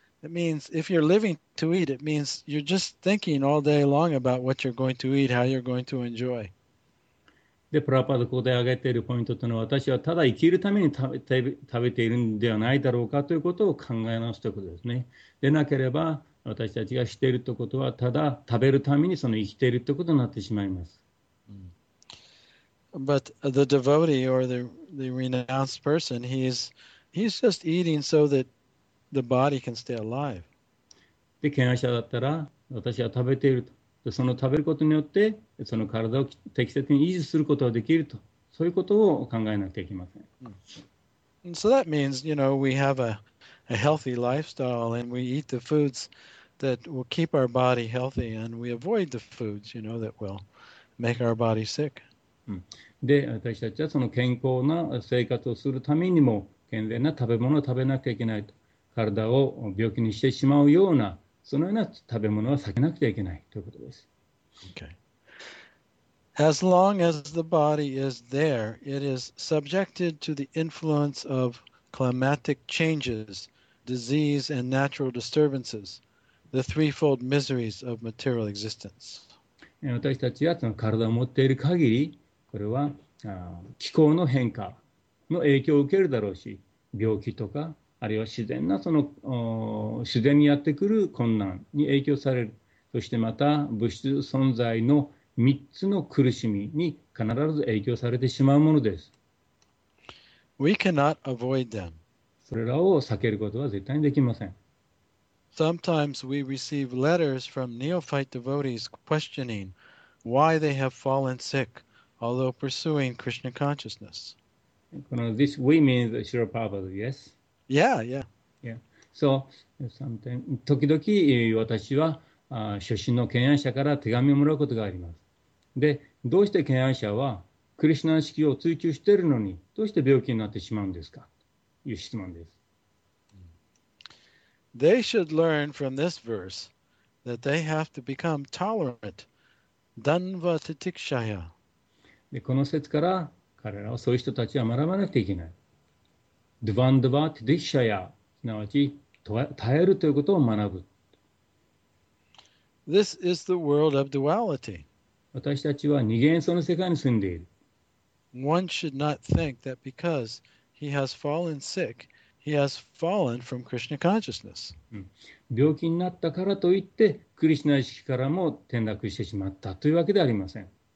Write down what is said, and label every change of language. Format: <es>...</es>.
<en>It means if you're living to eat, it means you're just thinking all day long about what you're going to eat, how you're going to enjoy.</en> <ja>で、プラパドここで挙げているポイントというのは、私はただ生きるために食べているのではないだろうかということを考え直すということですね。でなければ、私たちがしているということは、ただ食べるためにその生きているということになってしまいます。</ja> <en>But the devotee or the renounced person, he's just eating so that the body can stay alive.</en> <ja>で、敬愛者だったら、私は食べていると。で、その食べることによって、その体を適切に維持することができると。そういうことを考えなきゃいけません。</ja> <en>And so that means, you know, we have a healthy lifestyle and we eat the foods that will keep our body healthy and we avoid the foods, you know, that will make our body sick.</en> <ja>で、私たちはその健康な生活をするためにも健全な食べ物を食べなきゃいけないと。体を病気にしてしまうようなそのような食べ物は避けなくてはいけないということです。</ja> <en>Okay. As long as the body is there, it is subjected to the influence of climatic changes, disease, and natural disturbances, the threefold miseries of material existence.</en> <ja>私たちはその体を持っている限り、これは気候の変化の影響を受けるだろうし、病気とか、あるいは自然なその自然にやってくる困難に影響される。そしてまた物質存在の3つの苦しみに必ず影響されてしまうものです。</ja> <en>We cannot avoid them.</en> <ja>それらを避けることは絶対にできません。</ja> <en>Sometimes we receive letters from neophyte devotees questioning why they have fallen sick, although pursuing Krishna consciousness. This we mean the Srila Prabhupada, yes? Yeah.</en> <ja>So, 時々私は初心の懸案者から手紙をもらうことがあります。で、どうして懸案者はクリシュナ意識を追求しているのに、どうして病気になってしまうんですか？という質問です。</ja> <en>They should learn from this verse that they have to become tolerant.</en> <sa>Danva titikshaya.</sa> <ja>で、この説から彼らはそういう人たちは学ばなくてはいけない。ドゥヴァンドゥヴァティティクシャヤ、すなわち耐えるということを学ぶ。</ja> <en>This is the world of duality.</en> <ja>私たちは二元素の世界に住んでいる。</ja> <en>One should not think that because he has fallen sick, he has fallen from Krishna consciousness.</en> <ja>病気になったからといって、クリシナ意識からも転落してしまったというわけではありません。</ja>